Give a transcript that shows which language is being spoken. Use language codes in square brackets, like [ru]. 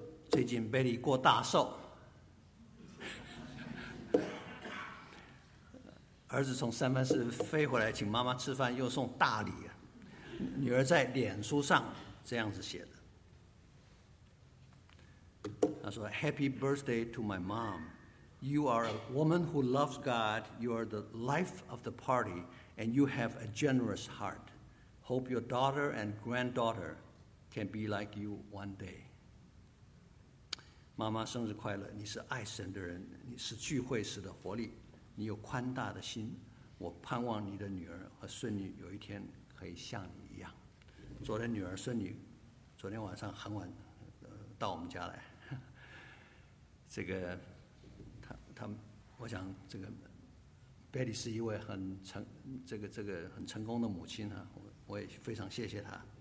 [zh] 最近 Betty 过大寿，儿子从三藩市飞回来请妈妈吃饭，又送大礼啊。女儿在脸书上这样子写的，她说 [en] Happy birthday to my mom. You are a woman who loves God. You are the life of the party. And you have a generous heart. Hope your daughter and granddaughter can be like you one day. [zh] 妈妈生日快乐，你是爱神的人，你是聚会时的活力，你有宽大的心，我盼望你的女儿和孙女有一天可以像你一样。昨天女儿孙女昨天晚上很晚到我们家来，这个他我想这个 Betty 是一位很成这个很成功的母亲啊，我也非常谢谢她。